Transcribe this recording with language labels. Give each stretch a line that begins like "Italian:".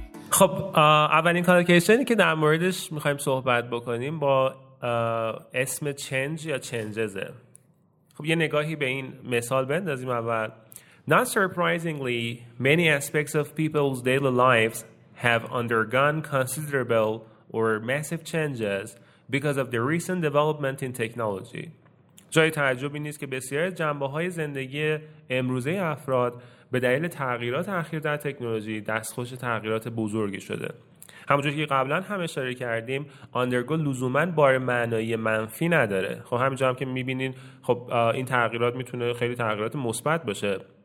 Persian: خب اولین کالوکیشنی که در موردش میخواییم صحبت بکنیم با اسم چنج یا چنجزه. خب یه نگاهی به این مثال بندازیم اول.
English: Not surprisingly, many aspects of people's daily lives have undergone considerable or massive changes because of the recent development in technology.
Persian: جای تعجبی نیست که بسیاری از جنبه‌های زندگی امروزه افراد به دلیل تغییرات اخیر در تکنولوژی دستخوش تغییرات بزرگی شده. همونجوری که قبلا هم اشاره کردیم undergo لزوماً بار معنایی منفی نداره. خب همینجا هم که می‌بینین خب این تغییرات میتونه خیلی تغییرات مثبت باشه.